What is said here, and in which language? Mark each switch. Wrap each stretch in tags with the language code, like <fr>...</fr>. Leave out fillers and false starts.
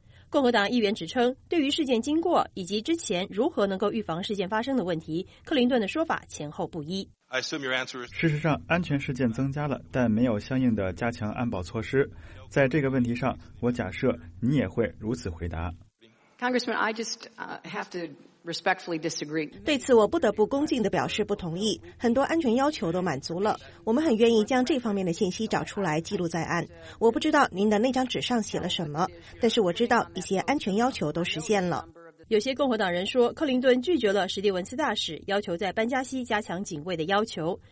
<zh>共和党议员指称，对于事件经过以及之前如何能够预防事件发生的问题，克林顿的说法前后不一。事实上，安全事件增加了，但没有相应的加强安保措施。在这个问题上，我假设你也会如此回答。</zh> <en>Congressman, I just have to respectfully disagree.</en> <zh>对此我不得不恭敬地表示不同意，很多安全要求都满足了，我们很愿意将这方面的信息找出来记录在案。我不知道您的那张纸上写了什么，但是我知道一些安全要求都实现了。有些共和党人说，克林顿拒绝了史蒂文斯大使要求在班加西加强警卫的要求。</zh>